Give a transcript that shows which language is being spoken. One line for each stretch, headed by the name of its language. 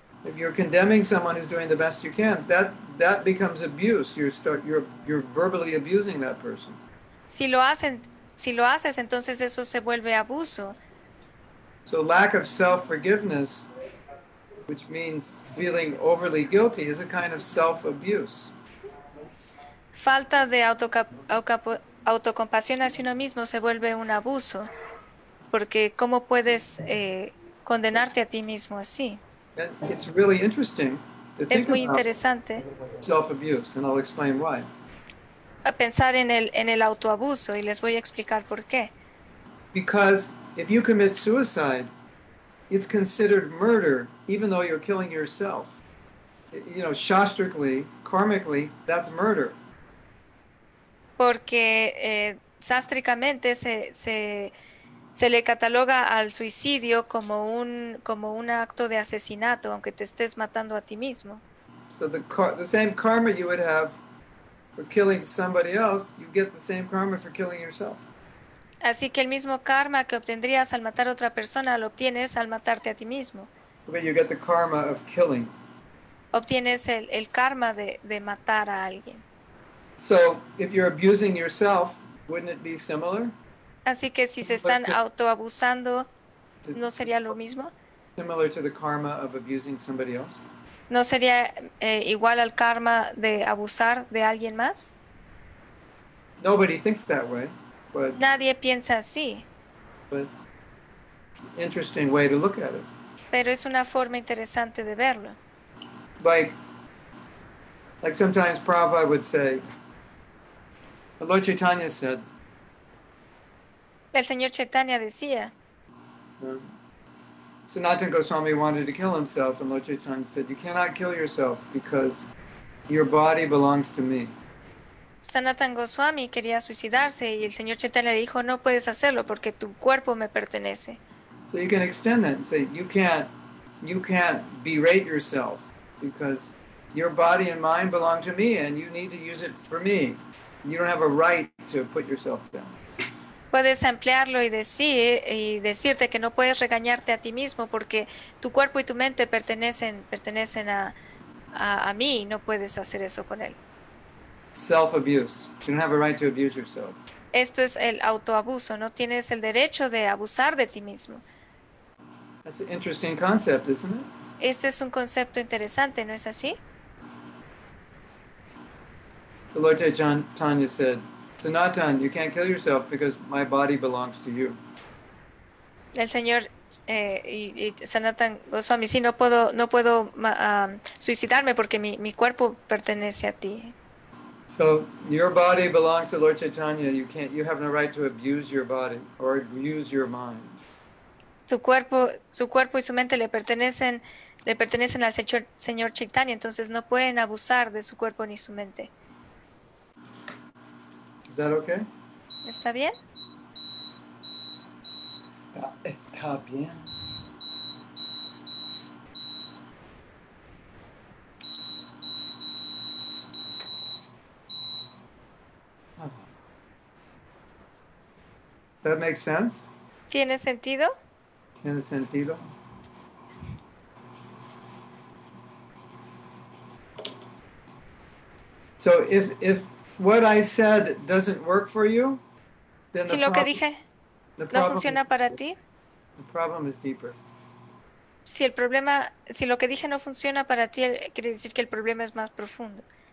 English: If you're condemning someone who's doing the best you can, that becomes abuse. You're verbally abusing that person.
Spanish: Si lo haces, entonces eso se vuelve abuso.
English: So lack of self-forgiveness, which means feeling overly guilty, is a kind of self-abuse.
Spanish: Falta de autocompasión hacia uno mismo se vuelve un abuso. Porque ¿cómo puedes condenarte a ti mismo así?
English: It's really interesting to think
Spanish: es muy
English: about
Spanish: interesante
English: self-abuse, and I'll explain why.
Spanish: A pensar en el autoabuso, y les voy a explicar por qué.
English: Because if you commit suicide, it's considered murder, even though you're killing yourself. You know, shastrically, karmically, that's murder.
Spanish: Porque sástricamente se le cataloga al suicidio como un acto de asesinato, aunque te estés matando a ti mismo.
English: So the same karma you would have for killing somebody else, you get the same karma for killing yourself.
Spanish: Así que el mismo karma que obtendrías al matar a otra persona lo obtienes al matarte a ti mismo.
English: But you get the karma of killing.
Spanish: Obtienes el karma de matar a alguien.
English: So if you're abusing yourself, wouldn't it be similar?
Spanish: Así que si se están autoabusando, ¿no sería lo mismo?
English: Similar to the karma of abusing somebody else?
Spanish: ¿No sería igual al karma de abusar de alguien más?
English: Nobody thinks that way. But,
Spanish: nadie piensa así.
English: But interesting way to look at it.
Spanish: Pero es una forma interesante de verlo.
English: Like sometimes Prabhupada would say, Lord Chaitanya said,
Spanish: el señor Chaitanya decía,
English: Sanatana Goswami wanted to kill himself, and Lord Chaitanya said, you cannot kill yourself because your body belongs to me.
Spanish: Sanatana Goswami quería suicidarse y el señor Chaitanya le dijo, no puedes hacerlo porque tu cuerpo me pertenece.
English: So you can extend that and say, you can't berate yourself because your body and mind belong to me and you need to use it for me. You don't have a right to put yourself down.
Spanish: Puedes ampliarlo y decirte que no puedes regañarte a ti mismo porque tu cuerpo y tu mente pertenecen a mí y no puedes hacer eso con él.
English: Self-abuse. You don't have a right to abuse yourself.
Spanish: Esto es el autoabuso. No tienes el derecho de abusar de ti mismo.
English: That's an interesting concept, isn't it?
Spanish: Este es un concepto interesante, ¿no es así?
English: The Lord Chaitanya said, Sanatan, you can't kill yourself because my body belongs to you.
Spanish: El señor Sanatan Goswami, sí, no puedo suicidarme porque mi cuerpo pertenece a ti.
English: So your body belongs to Lord Chaitanya. You have no right to abuse your body or abuse your mind.
Spanish: Su cuerpo y su mente le pertenecen al señor Chaitanya. Entonces no pueden abusar de su cuerpo ni su mente.
English: Is that okay?
Spanish: ¿Está bien? Está bien.
English: That makes sense?
Spanish: ¿Tiene sentido? ¿Tiene sentido?
English: So if what I said doesn't work for you, then
Spanish: si lo que dije no funciona para ti,
English: the problem is deeper.
Spanish: Si el problema, si lo que dije no funciona para ti, quiere decir que el problema es más profundo.